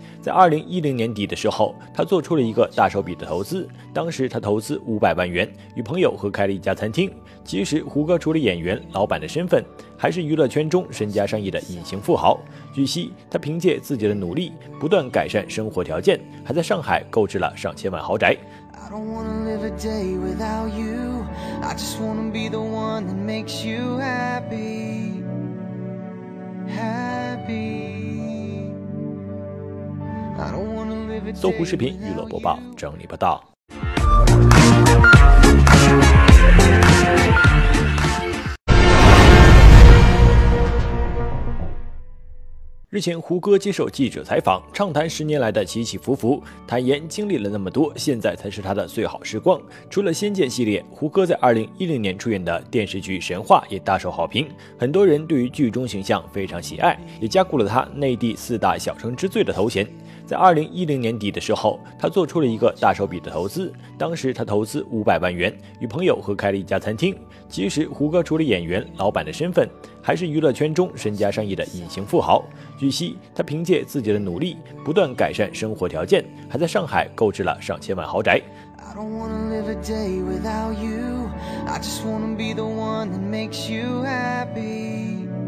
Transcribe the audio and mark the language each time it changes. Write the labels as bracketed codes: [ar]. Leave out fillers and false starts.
[zh] 在2010年底的时候，他做出了一个大手笔的投资，当时他投资500万元与朋友合开了一家餐厅。其实胡歌除了演员老板的身份，还是娱乐圈中身家上亿的隐形富豪。据悉他凭借自己的努力不断改善生活条件，还在上海购置了上千万豪宅。 [en] I don't wanna live a day without you. I just wanna be the one that makes you happy. Happy. I don't wanna live a day. [zh] 搜狐视频娱乐播报，整理报道。日前胡歌接受记者采访，畅谈十年来的起起伏伏，坦言经历了那么多，现在才是他的最好时光。除了仙剑系列，胡歌在2010年出演的电视剧《神话》也大受好评，很多人对于剧中形象非常喜爱，也加固了他内地四大小生之最的头衔。在2010年底的时候，他做出了一个大手笔的投资，当时他投资500万元与朋友合开了一家餐厅。其实胡歌除了演员老板的身份，还是娱乐圈中身家上亿的隐形富豪。据悉他凭借自己的努力不断改善生活条件，还在上海购置了上千万豪宅。 [en] I don't wanna live a day without you. I just wanna be the one that makes you happy.